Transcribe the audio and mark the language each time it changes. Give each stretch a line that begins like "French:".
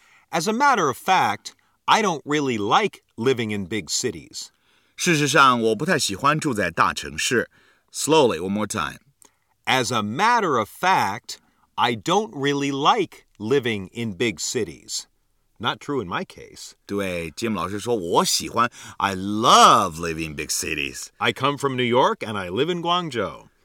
English: As a matter of fact, I don't really like living in big cities.
Chinese: 事实上,我不太喜欢住在大城市。
English: Slowly, one more time. As a matter of fact, I don't really like living in big cities. Not true in my case.
Chinese: 对,Jim老师说,我喜欢,
English: I love living in big cities. I come from New York and I live in Guangzhou.